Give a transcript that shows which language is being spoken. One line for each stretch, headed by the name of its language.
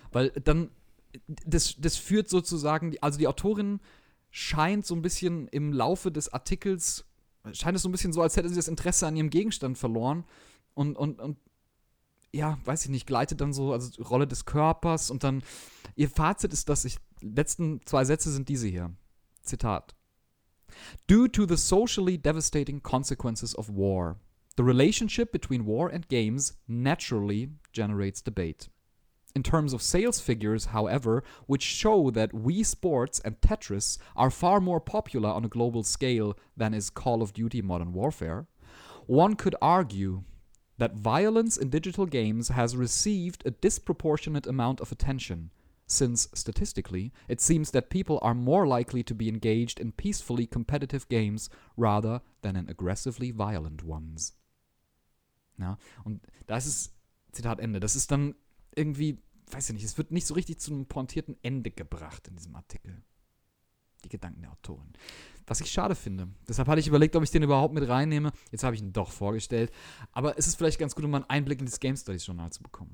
German: Weil dann, das führt sozusagen, also die Autorin scheint so ein bisschen im Laufe des Artikels, scheint es so ein bisschen so, als hätte sie das Interesse an ihrem Gegenstand verloren und ja, weiß ich nicht, gleitet dann so, also die Rolle des Körpers und dann, ihr Fazit ist das, letzten zwei Sätze sind diese hier, Zitat.
English: "Due to the socially devastating consequences of war, the relationship between war and games naturally generates debate. In terms of sales figures, however, which show that Wii Sports and Tetris are far more popular on a global scale than is Call of Duty Modern Warfare, one could argue that violence in digital games has received a disproportionate amount of attention, since, statistically, it seems that people are more likely to be engaged in peacefully competitive games rather than in aggressively violent ones."
German: Ja, und das ist, Zitat Ende, das ist dann irgendwie, weiß ich nicht, es wird nicht so richtig zu einem pointierten Ende gebracht in diesem Artikel. Die Gedanken der Autoren. Was ich schade finde. Deshalb hatte ich überlegt, ob ich den überhaupt mit reinnehme. Jetzt habe ich ihn doch vorgestellt. Aber es ist vielleicht ganz gut, um mal einen Einblick in das Game Studies Journal zu bekommen.